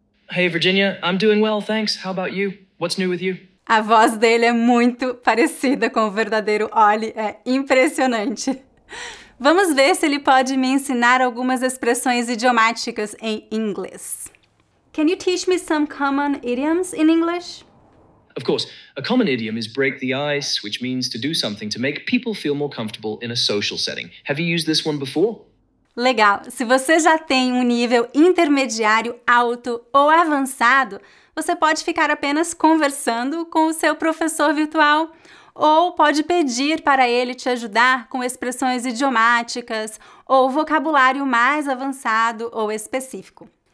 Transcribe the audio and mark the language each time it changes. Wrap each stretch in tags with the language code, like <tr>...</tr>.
<en>Hey, Virginia. I'm doing well, thanks. How about you? What's new with you?</en> <pt>A voz dele é muito parecida com o verdadeiro Ollie, é impressionante. Vamos ver se ele pode me ensinar algumas expressões idiomáticas em inglês.</pt> <en>Can you teach me some common idioms in English? Of course. A common idiom is break the ice, which means to do something to make people feel more comfortable in a social setting. Have you used this one before?</en> <pt>Legal. Se você já tem um nível intermediário, alto ou avançado, você pode ficar apenas conversando com o seu professor virtual ou pode pedir para ele te ajudar com expressões idiomáticas ou vocabulário mais avançado ou específico.</pt>